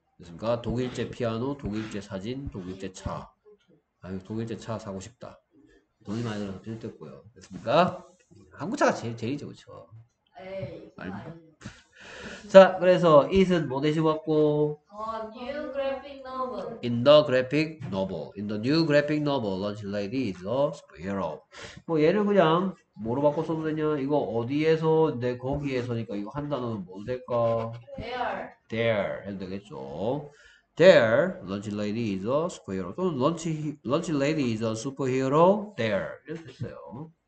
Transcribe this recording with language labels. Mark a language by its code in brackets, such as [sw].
[ko] 그러니까 독일제 피아노, 독일제 사진, 독일제 차. 아유, 독일제 차 사고 싶다. 돈이 많이 들어서 필요했고요. 됐습니까? 한국 차가 제일이죠, 그쵸? 에이, 말 아니. 자, 그래서 it은 뭐 대신 왔고? [en] New graphic novel. In the graphic novel. In the new graphic novel, Lunch Lady is a superhero. [ko] 뭐 얘를 그냥 뭐로 바꿔 써도 되냐? 이거 어디에서, 내 거기에서니까 이거 한 단어는 뭐 될까? [en] There. There [ko] 해도 되겠죠. [en] There, lunch lady is a superhero. [ko] 또는 [en] lunch lady is a superhero. There [ko] 이렇게 됐어요.